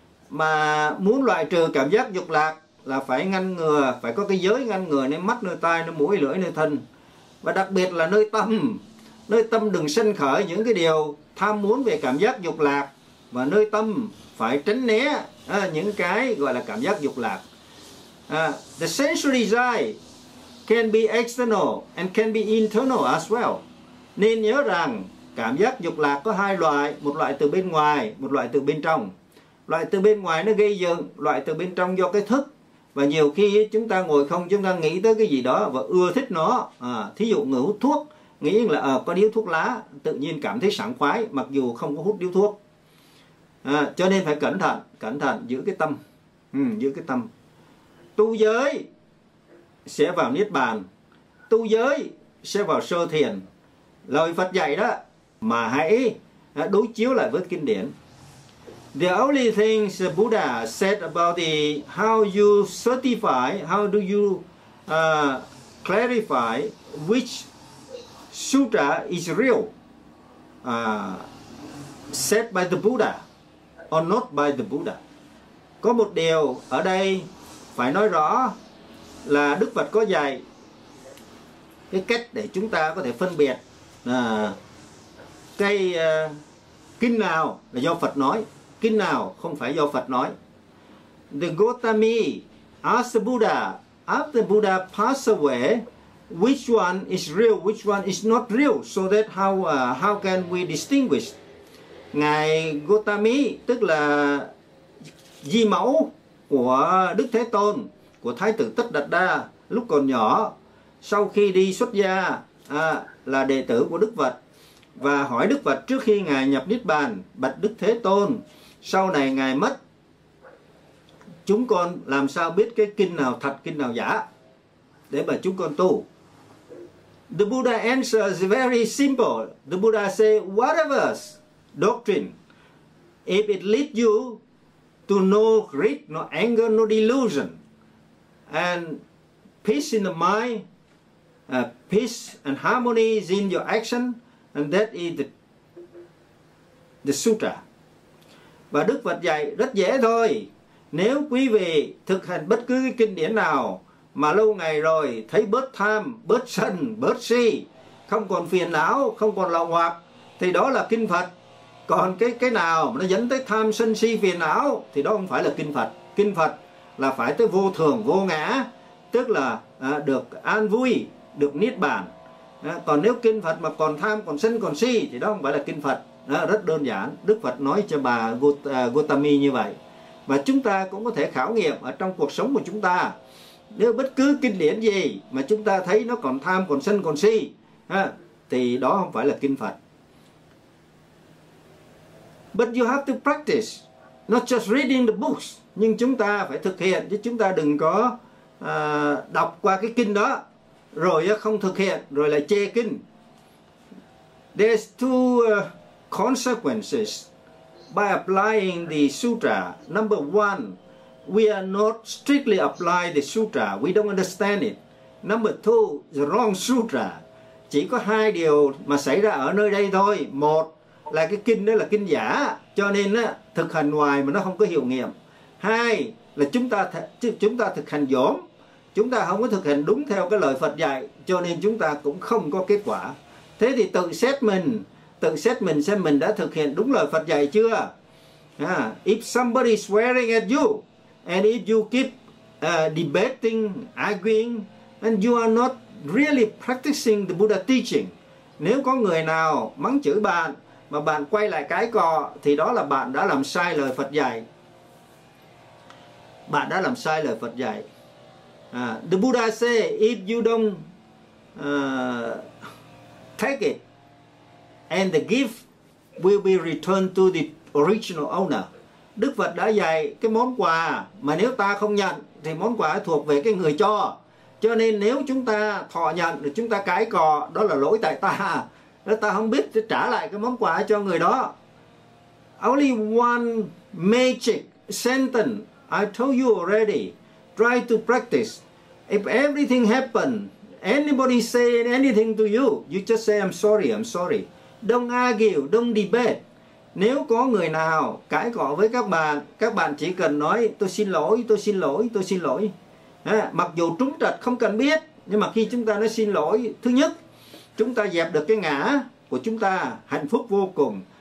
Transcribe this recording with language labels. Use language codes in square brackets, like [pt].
[vi] Mà muốn loại trừ cảm giác dục lạc là phải ngăn ngừa, phải có cái giới ngăn ngừa nơi mắt, nơi tai, nơi mũi, lưỡi, nơi thân. Và đặc biệt là nơi tâm. Nơi tâm đừng sinh khởi những cái điều tham muốn về cảm giác dục lạc. Và nơi tâm phải tránh né những cái gọi là cảm giác dục lạc. [en] The sensual desire can be external and can be internal as well. [vi] Nên nhớ rằng cảm giác dục lạc có hai loại, một loại từ bên ngoài, một loại từ bên trong. Loại từ bên ngoài nó gây dựng, loại từ bên trong do cái thức. Và nhiều khi chúng ta ngồi không, chúng ta nghĩ tới cái gì đó và ưa thích nó. Thí dụ người hút thuốc, nghĩ là có điếu thuốc lá, tự nhiên cảm thấy sảng khoái mặc dù không có hút điếu thuốc. Cho nên phải cẩn thận giữ cái tâm. Giữ cái tâm. Tu giới sẽ vào Niết Bàn, tu giới sẽ vào sơ thiền. Lời Phật dạy đó, mà hãy đối chiếu lại với kinh điển. [en] The only thing the Buddha said about the how you certify, how do you clarify which sutra is real, said by the Buddha or not by the Buddha. [vi] Có một điều ở đây phải nói rõ là Đức Phật có dạy cái cách để chúng ta có thể phân biệt cái kinh nào là do Phật nói, kinh nào không phải do Phật nói. [en] The Gotami asked the Buddha, after the Buddha passed away, which one is real, which one is not real, so that how can we distinguish? [vi] Ngài Gotami, tức là di mẫu của Đức Thế Tôn, của Thái tử Tất Đạt Đa lúc còn nhỏ, sau khi đi xuất gia là đệ tử của Đức Phật, và hỏi Đức Phật trước khi Ngài nhập Niết Bàn: bạch Đức Thế Tôn, sau này Ngài mất, chúng con làm sao biết cái kinh nào thật, kinh nào giả để mà chúng con tu? [en] The Buddha answer is very simple. The Buddha say, whatever doctrine, if it leads you to no greed, no anger, no delusion, and peace in the mind, peace and harmony is in your action, and that is the sutra. [vi] Và Đức Phật dạy rất dễ thôi. Nếu quý vị thực hành bất cứ cái kinh điển nào mà lâu ngày rồi thấy bớt tham, bớt sân, bớt si, không còn phiền não, không còn lậu hoặc, thì đó là kinh Phật. Còn cái nào mà nó dẫn tới tham, sân, si, phiền não thì đó không phải là kinh Phật. Kinh Phật là phải tới vô thường, vô ngã, tức là được an vui, được niết bàn. Còn nếu kinh Phật mà còn tham, còn sân, còn si thì đó không phải là kinh Phật. Rất đơn giản, Đức Phật nói cho bà Gotami như vậy. Và chúng ta cũng có thể khảo nghiệm ở trong cuộc sống của chúng ta. Nếu bất cứ kinh điển gì mà chúng ta thấy nó còn tham, còn sân, còn si, thì đó không phải là kinh Phật. [en] But you have to practice, not just reading the books. [vi] Nhưng chúng ta phải thực hiện, chứ chúng ta đừng có đọc qua cái kinh đó rồi không thực hiện, rồi lại chê kinh. [en] There's two consequences by applying the sutra. Number one, we are not strictly apply the sutra. We don't understand it. Number two, the wrong sutra. [vi] Chỉ có hai điều mà xảy ra ở nơi đây thôi. Một là cái kinh đó là kinh giả, cho nên thực hành ngoài mà nó không có hiệu nghiệm. Hai là chúng ta thực hành dởm, chúng ta không có thực hành đúng theo cái lời Phật dạy, cho nên chúng ta cũng không có kết quả. Thế thì tự xét mình xem mình đã thực hiện đúng lời Phật dạy chưa. [en] If somebody swearing at you, and if you keep debating, arguing, and you are not really practicing the Buddha teaching. [vi] Nếu có người nào mắng chửi bạn mà bạn quay lại cái cò, thì đó là bạn đã làm sai lời Phật dạy. Bạn đã làm sai lời Phật dạy. [en] The Buddha say, if you don't take it, and the gift will be returned to the original owner. [vi] Đức Phật đã dạy cái món quà mà nếu ta không nhận thì món quà thuộc về cái người cho. Cho nên nếu chúng ta thọ nhận rồi chúng ta cái cò, đó là lỗi tại ta. Ta không biết trả lại cái món quà cho người đó. [en] Only one magic sentence I told you already. Try to practice. If everything happen, anybody say anything to you, you just say I'm sorry, I'm sorry. Don't argue, don't debate. [vi] Nếu có người nào cãi cọ với các bạn chỉ cần nói tôi xin lỗi, tôi xin lỗi, tôi xin lỗi. Mặc dù trúng trạch không cần biết, nhưng mà khi chúng ta nói xin lỗi, thứ nhất, chúng ta dẹp được cái ngã của chúng ta, hạnh phúc vô cùng.